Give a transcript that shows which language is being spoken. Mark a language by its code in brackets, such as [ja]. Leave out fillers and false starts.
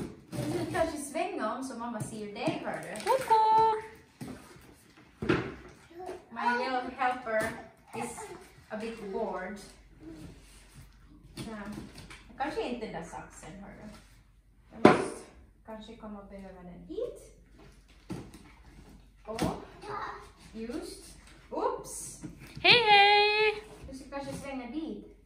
[sv] Det är kanske svänga om så mamma ser dig, hör du? Koko! [en] My yellow helper is a bit bored. [sv] Ja. Kanske inte den där saxen, hör du? Kanske kommer att behöva den hit. Och just. Oops. Hej hej. Du ska kanske svänga dit.